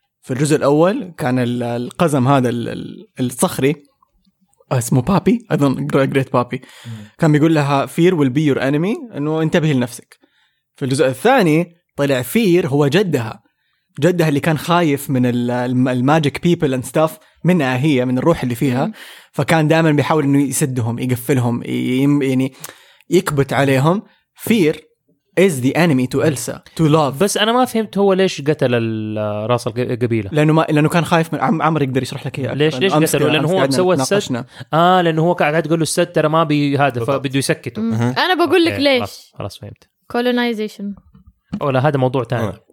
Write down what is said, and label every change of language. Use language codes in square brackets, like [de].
[ar] في الجزء الاول كان القزم هذا الصخري اسمه بابي اظن جريت بابي كان بيقول لها [en] fear will be your enemy، [ar] انه انتبهي لنفسك. في الجزء الثاني طلع fear هو جدها اللي كان خايف من الماجيك بيبل اند ستاف، منها هي من الروح اللي فيها. فكان دائما بيحاول انه يسدهم يقفلهم يعني يكبت عليهم. [en] fear is the enemy to Elsa to love. [ar] بس انا ما فهمت هو ليش قتل الراس القبيله، لانه كان خايف من عمر يقدر يشرح لك اياه ليش قتله، لانه هو سوى السد. لانه هو قاعد تقول له السد ترى ما بي هذا فبده يسكته. انا بقول لك ليش. خلاص فهمت. [en] colonization [ar] او لا هذا موضوع ثاني.